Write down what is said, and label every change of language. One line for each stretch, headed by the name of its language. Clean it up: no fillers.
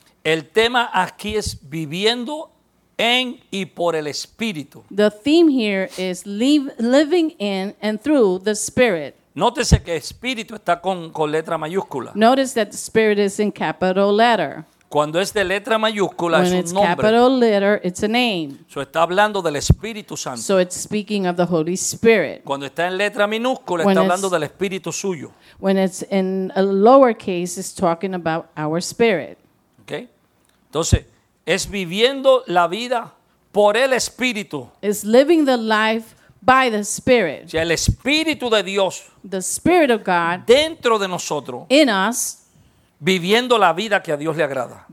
Spanish: El tema aquí es viviendo en y por el Espíritu.
English: The theme here is living in and through the Spirit.
Spanish: Nótese que Espíritu está con letra mayúscula.
English: Notice that the Spirit is in capital letter.
Spanish: Cuando es de letra mayúscula
English: when
Spanish: es un nombre.
English: Capital letter, it's a name.
Spanish: So está hablando del Espíritu Santo.
English: So it's speaking of the Holy Spirit.
Spanish: Cuando está en letra minúscula está hablando del Espíritu suyo.
English: When it's in a lowercase, it's talking about our spirit. Okay.
Spanish: Entonces, es viviendo la vida por el Espíritu.
English: It's living the life by the Spirit.
Spanish: O sea, el Espíritu de Dios.
English: The Spirit of God.
Spanish: Dentro de nosotros.
English: In us.
Spanish: Viviendo la vida que a Dios le agrada.